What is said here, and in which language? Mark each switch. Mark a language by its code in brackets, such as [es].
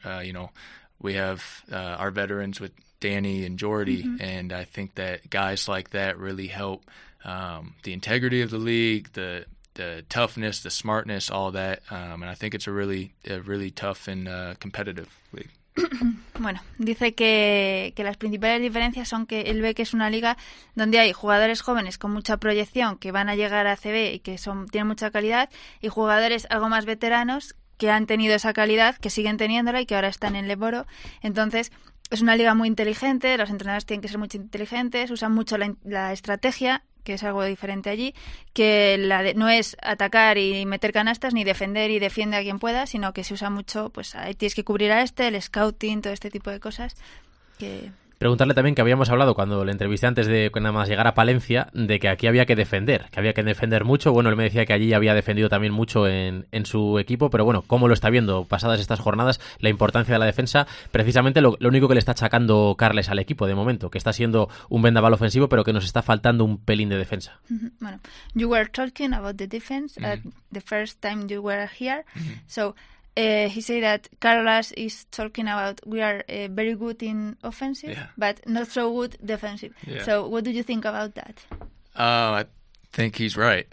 [en] You know, we have our veterans with Danny and Jordy. Mm-hmm. And I think that guys like that really help the integrity of the league, the toughness, the smartness, all that. And I think it's a really tough and competitive league. [es] Bueno, dice que las principales diferencias son que él ve que es una liga donde hay jugadores jóvenes con mucha proyección que van a llegar a CB y que tienen mucha calidad, y jugadores algo más veteranos que han tenido esa calidad, que siguen teniéndola y que ahora están en Leboro. Entonces, es una liga muy inteligente, los entrenadores tienen que ser muy inteligentes, usan mucho la estrategia, que es algo diferente allí, que no es atacar y meter canastas, ni defender y defiende a quien pueda, sino que se usa mucho, pues ahí tienes que cubrir a este, el scouting, todo este tipo de cosas. Que... Preguntarle también que habíamos hablado cuando le entrevisté antes de nada más llegar a Palencia, de que aquí había que defender, que había que defender mucho. Bueno, él me decía que allí había defendido también mucho en su equipo, pero bueno, ¿cómo lo está viendo pasadas estas jornadas la importancia de la defensa? Precisamente lo único que le está achacando Carles al equipo de momento, que está siendo un vendaval ofensivo, pero que nos está faltando un pelín de defensa. [en] Bueno, you were talking about the defense the first time you were here. So he said that Carles is talking about we are very good in offensive, but not so good defensive. So what do you think about that? I think he's right.